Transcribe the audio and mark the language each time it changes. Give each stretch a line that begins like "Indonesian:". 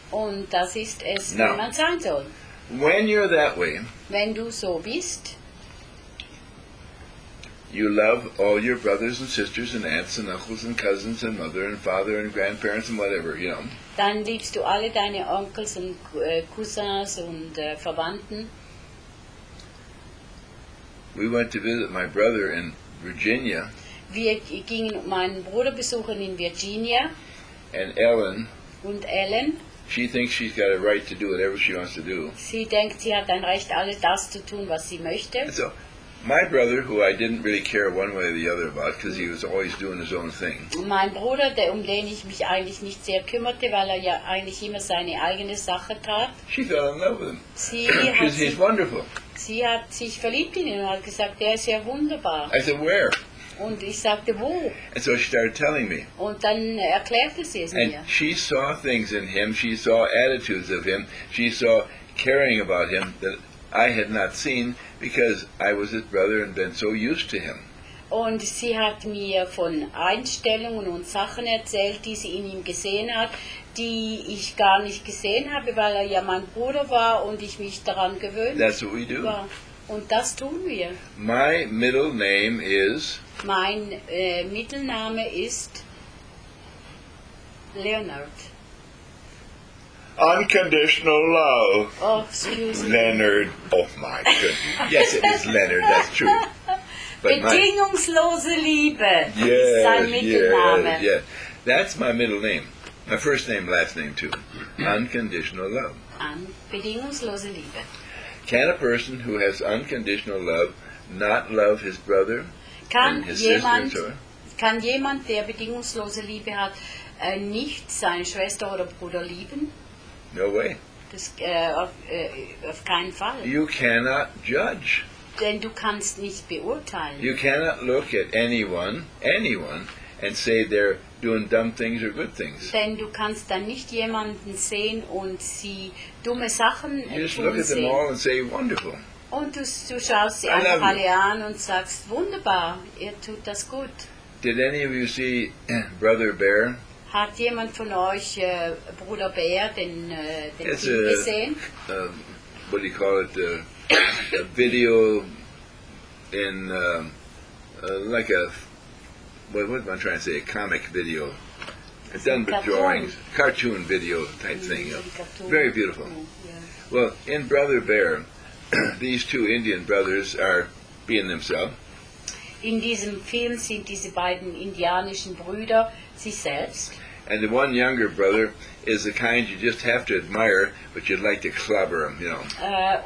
German: Und das ist es, wie man sein soll.
English: When you're that way,
German: wenn du so bist,
English: you love all your brothers and sisters and aunts and uncles and cousins and mother and father and grandparents and whatever, you know.
German: Dann liebst du alle deine Onkels und Cousins und Verwandten.
English: We went to visit my brother in Virginia.
German: Wir gingen meinen Bruder besuchen in Virginia.
English: And Ellen,
German: und Ellen,
English: she thinks she's got a right to do whatever she wants to do.
German: Sie denkt, sie hat ein Recht, alles das zu tun, was sie möchte.
English: And so, my brother, who I didn't really care one way or the other about, because he was always doing his own thing.
German: Mein Bruder, um den ich mich eigentlich nicht sehr kümmerte, weil er ja eigentlich immer seine eigene Sache tat.
English: She fell in love with him. He's wonderful.
German: Sie hat sich verliebt in ihn und hat gesagt, der ist ja wunderbar.
English: I said, where?
German: Und ich sagte, wo?
English: And so she started telling me.
German: Und dann erklärte sie es
English: and
German: mir.
English: She saw things in him, she saw attitudes of him, she saw caring about him that I had not seen because I was his brother and been so used to him.
German: Und sie hat mir von Einstellungen und Sachen erzählt, die sie in ihm gesehen hat, die ich gar nicht gesehen habe, weil er ja mein Bruder war und ich mich daran gewöhnt.
English: That's what we do.
German: War. Und das tun wir.
English: My middle name is...
German: Mein Mittelname ist Leonard.
English: Unconditional love. Oh, excuse me. Leonard. Oh my goodness. Yes, it is Leonard, that's true. But
German: bedingungslose Liebe.
English: Yes,
German: ist sein Mittelname.
English: Yes, yes. That's my middle name. My first name, last name too. Unconditional love.
German: Bedingungslose Liebe.
English: Can a person who has unconditional love not love his brother?
German: Kann jemand, der bedingungslose Liebe hat, nicht seine Schwester oder Bruder lieben?
English: No way.
German: Das, auf keinen Fall.
English: You cannot judge.
German: Denn du kannst nicht beurteilen.
English: You cannot look at anyone, and say they're doing dumb things or good things.
German: Denn du kannst dann nicht jemanden sehen und sie dumme Sachen tun sehen.
English: You just look at them all and say, wonderful.
German: Und du schaust sie einfach alle an und sagst, wunderbar, ihr tut das gut.
English: Did any of you see Brother Bear?
German: Hat jemand von euch Bruder Bear, den Film gesehen?
English: What do you call it? A video in like a, what am I trying to say, a comic video. It's done with drawings, cartoon video type thing. Very beautiful. Yeah. Well, in Brother Bear, these two Indian brothers are being themselves.
German: In diesem Film sind diese beiden indianischen Brüder sich selbst.
English: And the one younger brother is the kind you just have to admire, but you'd like to clobber him, you know.